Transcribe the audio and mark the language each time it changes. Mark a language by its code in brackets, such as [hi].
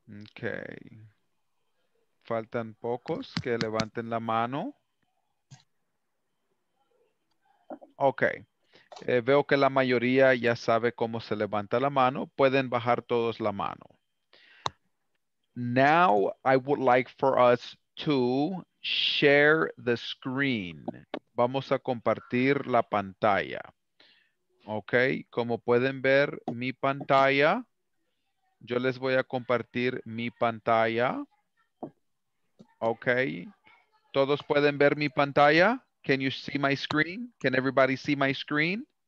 [es] Okay. Faltan pocos que levanten la mano. Ok. Veo que la mayoría ya sabe cómo se levanta la mano. Pueden bajar todos la mano. [en] Now I would like for us to share the screen. [es] Vamos a compartir la pantalla. Ok. Como pueden ver mi pantalla, yo les voy a compartir mi pantalla. Okay. ¿Todos pueden ver mi pantalla? [en] Can you see my screen? Can everybody see my screen?